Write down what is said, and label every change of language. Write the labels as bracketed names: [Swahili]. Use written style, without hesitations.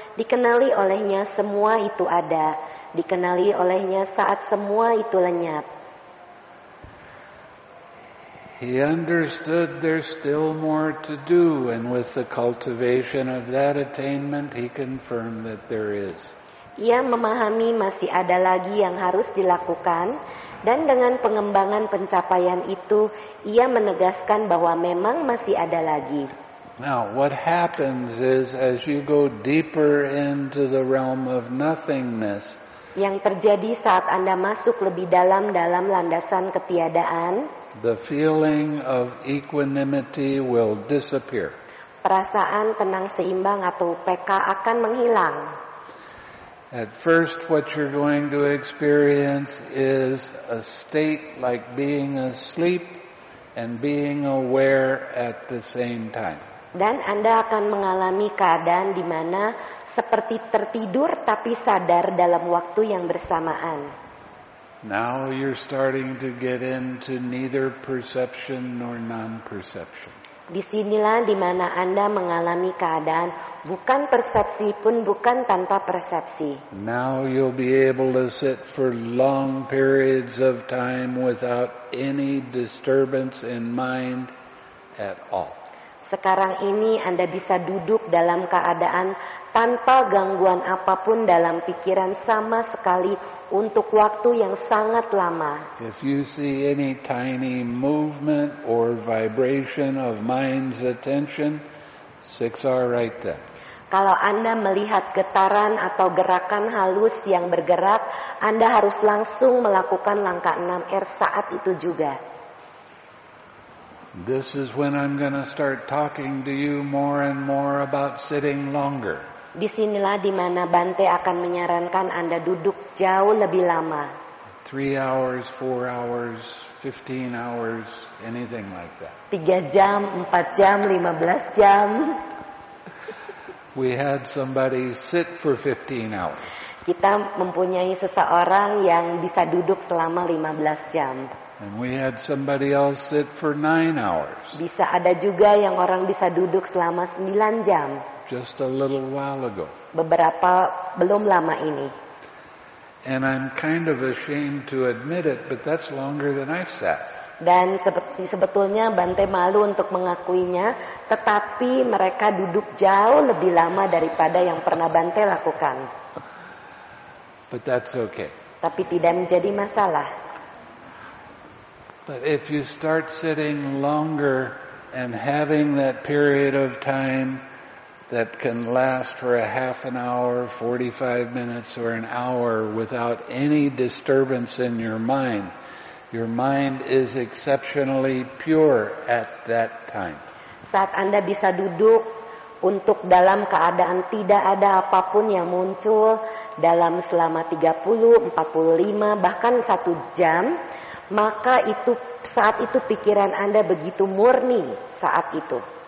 [Indonesian] Dikenali olehnya semua itu ada. Dikenali olehnya saat semua itu lenyap. [English] He understood there's still more to do, and with the cultivation of that attainment, he confirmed that there is. [Indonesian] Ia memahami masih ada lagi yang harus dilakukan, dan dengan pengembangan pencapaian itu, ia menegaskan bahwa memang masih ada lagi. [English] Now, what happens is as you go deeper into the realm of nothingness. [Indonesian] Yang terjadi saat Anda masuk lebih dalam dalam landasan ketiadaan. [English] The feeling of equanimity will disappear. [Indonesian] Perasaan tenang seimbang atau PK akan menghilang. [English] At first, what you're going to experience is a state like being asleep and being aware at the same time. [Indonesian] Dan Anda akan mengalami keadaan di mana seperti tertidur tapi sadar dalam waktu yang bersamaan. [English] Now you're starting to get into neither perception nor non-perception. [Indonesian] Disinilah di mana Anda mengalami keadaan bukan persepsi pun bukan tanpa persepsi. [English] Now you'll be able to sit for long periods of time without any disturbance in mind at all. [Indonesian] Sekarang ini Anda bisa duduk dalam keadaan tanpa gangguan apapun dalam pikiran sama sekali untuk waktu yang sangat lama. [English] If you see any tiny movement or vibration of mind's attention, 6R right there. [Indonesian] Kalau Anda melihat getaran atau gerakan halus yang bergerak, Anda harus langsung melakukan langkah 6R saat itu juga. [English] This is when I'm going to start talking to you more and more about sitting longer. [Indonesian] Disinilah di mana Bante akan menyarankan Anda duduk jauh lebih lama. [English] 3 hours, 4 hours, 15 hours, anything like that. [Indonesian] 3 jam, 4 jam, 15 jam. [English] We had somebody sit for 15 hours. [Indonesian] Kita mempunyai seseorang yang bisa duduk selama 15 jam. [English] And we had somebody else sit for 9 hours. [Indonesian] Bisa ada juga yang orang bisa duduk selama 9 jam. [English] Just a little while ago. [Indonesian] Beberapa belum lama ini. [English] And I'm kind of ashamed to admit it, but that's longer than I've sat. [Indonesian] Dan sebetulnya Bante malu untuk mengakuinya, tetapi mereka duduk jauh lebih lama daripada yang pernah Bante lakukan. [English] But that's okay. [Indonesian] Tapi tidak menjadi masalah. [English] But if you start sitting longer and having that period of time that can last for a half an hour, 45 minutes or an hour without any disturbance in your mind is exceptionally pure at that time. [Indonesian] Saat Anda bisa duduk untuk dalam keadaan tidak ada apapun yang muncul dalam selama 30, 45 bahkan 1 jam, maka itu saat itu pikiran Anda begitu murni saat itu.